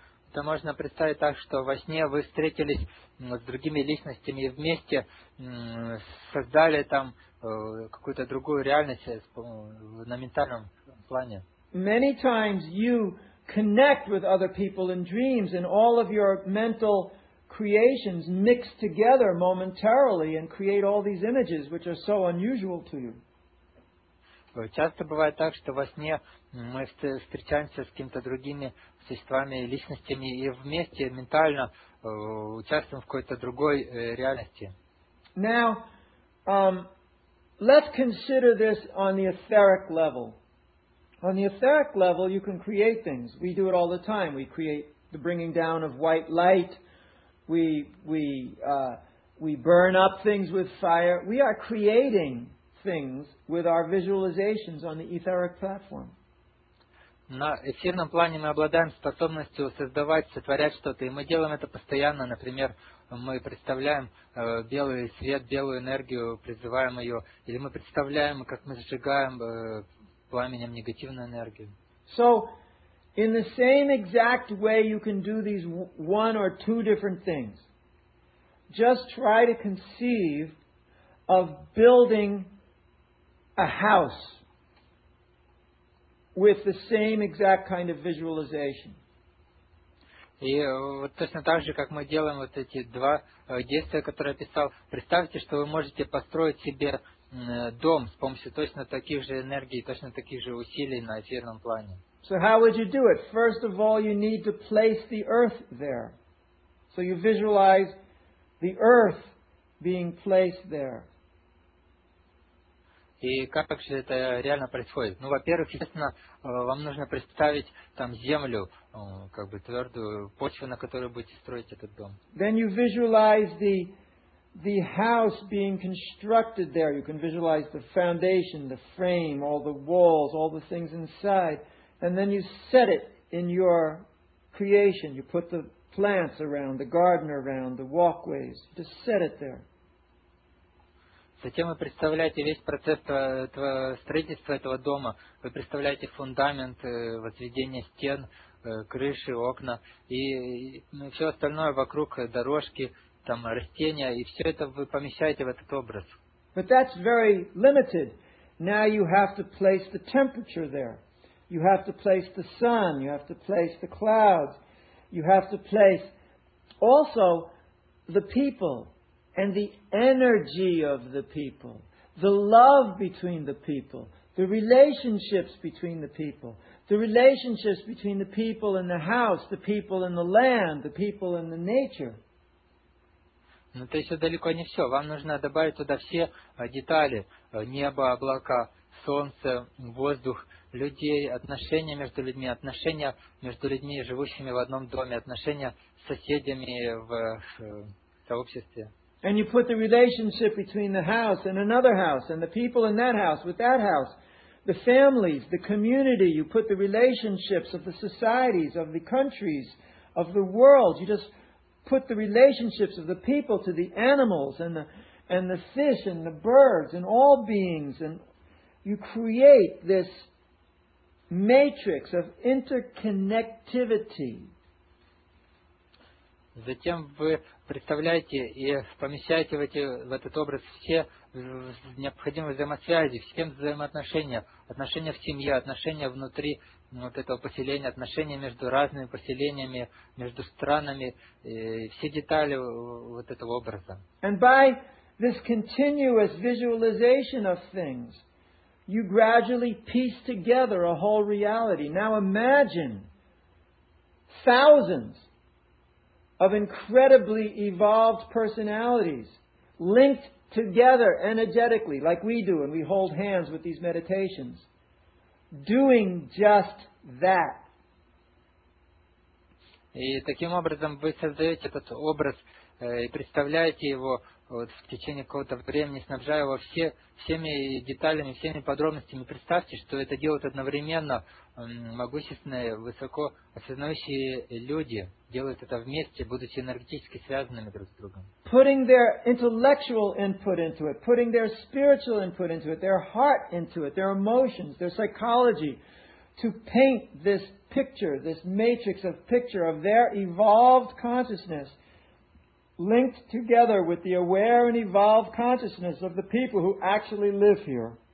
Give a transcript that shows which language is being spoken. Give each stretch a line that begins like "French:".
Russian: Это можно представить так, что во сне вы встретились с другими личностями и вместе создали там какую-то другую реальность на ментальном плане.
English: Many times you connect with other people in dreams and all of your mental creations mix together momentarily and create all these images which are so unusual to you.
Russian: Часто бывает так, что во сне мы встречаемся с какими-то другими существами, личностями и вместе ментально участвуем в какой-то другой реальности.
English: Now, let's consider this on the etheric level. On the etheric level, you can create things. We do it all the time. We create the bringing down of white light. We burn up things with fire. We are creating things with our visualizations on the etheric platform.
Russian: На эфирном плане мы обладаем способностью создавать, сотворять что-то, и мы делаем это постоянно. Например, мы представляем белый свет, белую энергию, призываем ее, или мы представляем, как мы зажигаем пламенем негативную энергию.
English: So, in the same exact way you can do these one or two different things, just try to conceive of building a house with the same exact kind of visualization.
Russian: И вот точно так же, как мы делаем вот эти два действия, которые я писал, представьте, что вы можете построить себе дом с помощью точно таких же энергий, точно таких же усилий на эфирном плане.
English: So how would you do it? First of all, you need to place the earth there. So you visualize the earth being placed there.
Russian: И как же это реально происходит? Ну, во-первых, естественно, вам нужно представить там землю, как бы твердую почву, на которой будете строить этот дом.
English: Then you visualize the house being constructed there. You can visualize the foundation, the frame, all the walls, all the things inside. And then you set it in your creation. You put the plants around, the garden around, the walkways. Just set it there.
Russian: Затем вы представляете весь процесс строительства этого дома. Вы представляете фундамент, возведение стен, крыши, окна и все остальное вокруг, дорожки, там растения. И все это вы помещаете в этот образ.
English: But that's very limited. Now you have to place the temperature there. You have to place the sun. You have to place the clouds. You have to place also the people. And the energy of the people, the love between the people, the relationships between the people, the relationships between the people and the house, the people and the land, the people and the nature.
Russian: Но это еще далеко не все. Вам нужно добавить туда все детали: небо, облака, солнце, воздух, людей, отношения между людьми, отношения между людьми, живущими в одном доме, отношения с соседями в сообществе.
English: And you put the relationship between the house and another house and the people in that house with that house, the families, the community, you put the relationships of the societies, of the countries, of the world. You just put the relationships of the people to the animals and the fish and the birds and all beings, and you create this matrix of interconnectivity.
Russian: Затем вы представляете и помещаете в этот образ все необходимые взаимосвязи, все взаимоотношения, отношения в семье, отношения внутри вот этого поселения, отношения между разными поселениями, между странами, все детали вот этого образа.
English: And by this continuous visualization of things, you gradually piece together a whole reality. Now imagine thousands of incredibly evolved personalities linked together energetically, like we do, and we hold hands with these meditations, doing just that.
Russian: И таким образом вы создаете этот образ и представляете его вот в течение какого-то времени, снабжая его всеми деталями, всеми подробностями. Представьте, что это делают одновременно могущественные, высоко осознающие люди, делают это вместе, будучи энергетически связанными друг с другом.
English: Putting their intellectual input into it, putting their spiritual input into it, their heart into it, their emotions, their psychology, to paint this picture, this matrix of picture of their evolved consciousness, linked together with the aware and evolved consciousness of the people who actually live here.